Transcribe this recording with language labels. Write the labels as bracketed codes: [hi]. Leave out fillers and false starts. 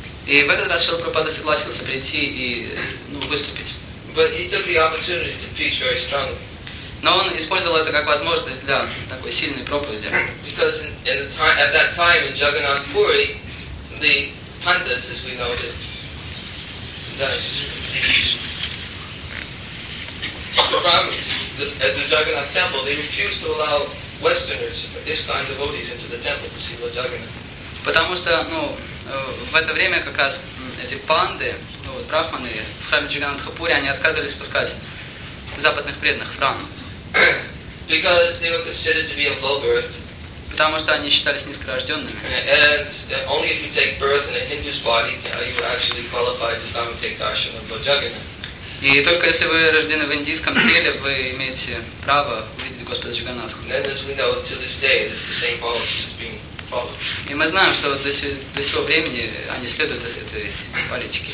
[ru] И в этот раз Шрила Прабхупада согласился прийти и выступить. [en] But he took the opportunity to preach very strongly. [ru] Но он использовал это как возможность для такой сильной проповеди. [en] Because at that time in Jagannath Puri, the pandas, as we know it, the Brahmins at the Jagannath temple, they refused to allow Westerners, ISKCON devotees, into the temple to see Lord Jagannath. [ru] Потому что, ну, в это время как раз эти панды, ну, вот брахманы в храме Джаганатхапури, они отказывались пускать западных преданных в храм. [en] Because they were considered to be of low birth. [ru] Потому что они считались низкорожденными. [en] And only if you take birth in a Hindu's body are you actually qualified to come and take darshan of Lord Jagannath. [ru] И только если вы рождены в индийском теле, вы имеете право увидеть Господа Джаганатху. [en] And as we know, to this day, it's the same policy as being. [ru] И мы знаем, что вот до сего времени они следуют этой политике.